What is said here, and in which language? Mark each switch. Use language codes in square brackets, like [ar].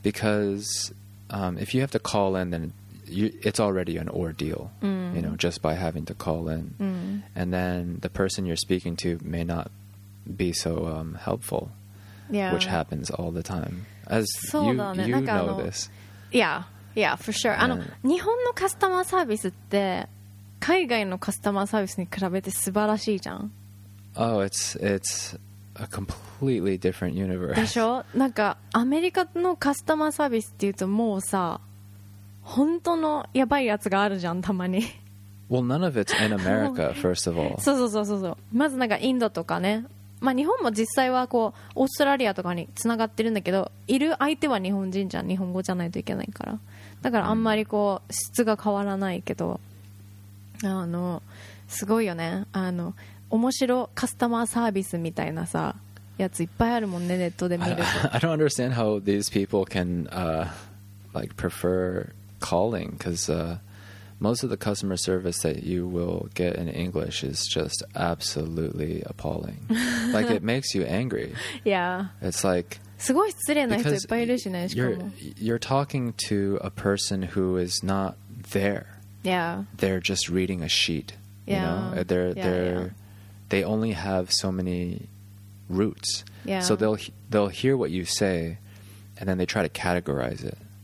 [en] Because if you have to call in, then it's already an ordeal, you know, just by having to call in. And then the person you're speaking to may not be so helpful, which happens all the time. As you know this. Yeah, for sure. [ja] あの、日本のカスタマーサービスって海外のカスタマーサービスに比べて素晴らしいじゃん。 [en] Oh, it's a completely different universe. [ja] でしょ？なんかアメリカのカスタマーサービスっていうと、もうさ、本当のやばいやつがあるじゃん、たまに。 [en] Well, none of it's in America, first of all. [ja] そう。まずなんかインドとかね。まあ日本も実際はこう、オーストラリアとかにつながってるんだけど、いる相手は日本人じゃん、日本語じゃないといけないから。だからあんまりこう、質が変わらないけど、あの、すごいよね。あの、面白カスタマーサービスみたいなさ、やついっぱいあるもんね、ネットで見ると。 [en] I don't understand how these people can, like, prefer... calling, because most of the customer service that you will get in English is just absolutely appalling. Like, it makes you angry. Yeah. It's like... [ja] すごい失礼な人いっぱいいるしね、しかも。 [en] You're talking to a person who is not there. Yeah. They're just reading a sheet. Yeah. You know? They only have so many roots. Yeah. So they'll hear what you say, and then they try to categorize it.